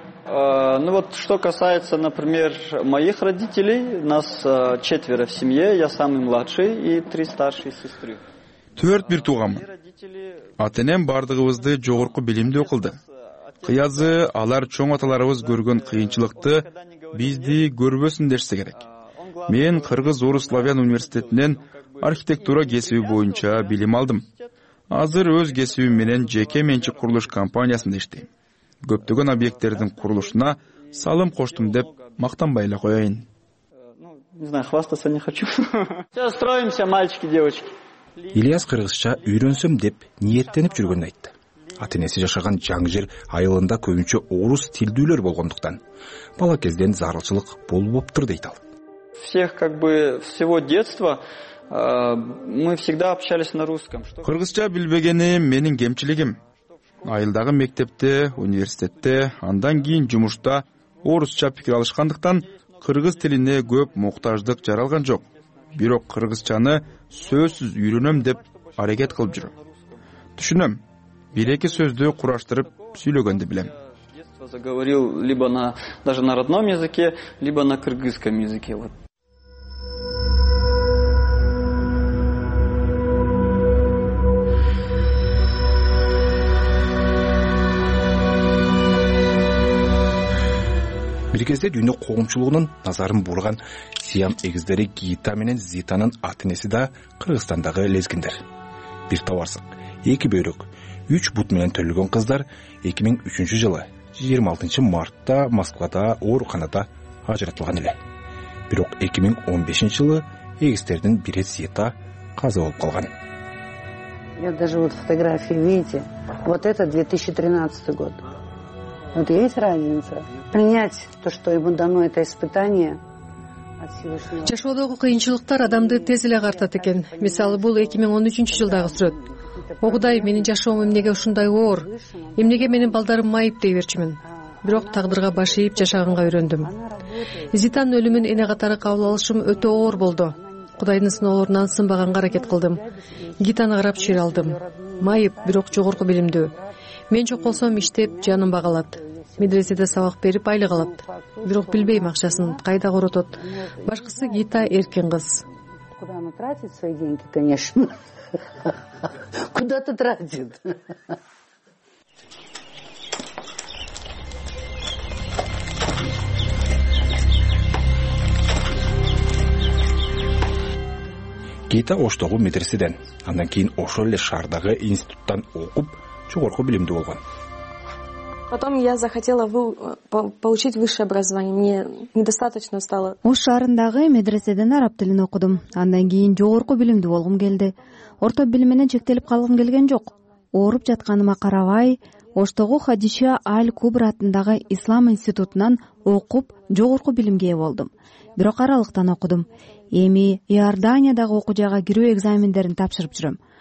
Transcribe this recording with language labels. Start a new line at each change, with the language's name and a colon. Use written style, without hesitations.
Russian: Что касается, например, моих родителей, нас четверо в семье, я самый младший и три старшие сестры.
Kyrgyz: Төрт бир тууганмын. Атенем бардыгыбызды жогорку билимдүү кылды. Кыязы алар чоң аталарыбыз көргөн кыйынчылыкты бизди көрбөсүн дешсе керек. Мен кыргыз-орус славян университетинен архитектура кесиби боюнча билим алдым. Азыр өз кесибим менен жеке менчик курулуш компаниясында иштейм. Көптөгөн объекттердин курулушуна салым коштум деп мактанбай эле коёюн.
Russian: Не знаю, хвастаться не хочу. Сейчас строимся, мальчики, девочки.
Kyrgyz: Ильяс кыргызча үйрөнсөм деп ниеттенип жүргөнүн айтты. Атенеси жашаган жаңы жер айылында көбүнчө орус тилдүүлөр болгондуктан бала кезден зарылчылык болбоптур дейт ал.
Russian: Всех как бы всего детства мы всегда общались на русском.
Kyrgyz: Кыргызча билбегени менин кемчилигим. Айылдагы мектепте, университетте, андан кийин жумушта орусча пикир алышкандыктан кыргыз тилине көп муктаждык жаралган жок. Бирок кыргызчаны сөзсүз үйрөнөм деп аракет кылып жүрөм. Түшүнөм. Бир эки сөздү кураштырып сүйлөгөндү билем.
Russian: Заговорил либо на даже на родном языке, либо на кыргызском языке.
Kyrgyz: Бир кезде дүйнө коомчулугунун назарын бурган сиям эгиздери Гита менен Зитанын атенеси да Кыргызстандагы лезгиндер. Бир табарсык, эки бөйрөк, үч бут менен төрөлгөн кыздар 2003 жылы 26 мартта Москвада ооруканада ажыратылган эле. Бирок 2015 жылы эгиздердин бири Зита каза болуп калган.
Russian: Я даже вот фотографии видите, вот это 2013 год. Вот есть разница. Принять то, что ему дано это испытание.
Kyrgyz: Жашоодогу кыйынчылыктар адамды тез эле агартат экен. Мисалы, бул 2013 жылдагы сүрөт. О Кудай, менин жашоом эмнеге ушундай оор? Эмнеге менин балдарым майып дей берчүмүн? Бирок тагдырга баш ийип жашаганга үйрөндүм. Зитанын өлүмүн эне катары кабыл алышым өтө оор болду. Кудайдын сыноолорунан сынбаганга аракет кылдым. Гитаны карап чыйыр алдым. Майып, бирок жогорку билимдүү. Мен жок болсом иштеп жанын багалат. Медреседе сабак берип айлык алат. Бирок билбейм акчасын кайда коротот. Башкысы Гита эркин кыз.
Russian: Куда она тратит свои деньги, конечно. Куда-то тратит.
Kyrgyz: Гита Оштогу медреседен, андан кийин ошол эле шаардагы институттан окуп жогорку билимдүү болгон.
Russian: Потом я захотела получить высшее образование. Мне недостаточно стало.
Kyrgyz: Ош шаарындагы медреседен араб тилин окудум. Андан кийин жогорку билимдүү болгум келди. Орто билим менен чектелип калгым келген жок. Ооруп жатканыма карабай, Оштогу Хадиша Аль-Кубра атындагы Ислам институтунан окуп, жогорку билимге ээ болдум. Бирок аралыктан окудум. Эми Иорданиядагы окуу жайга кирүү экзамендерин тапшырып жүрөм.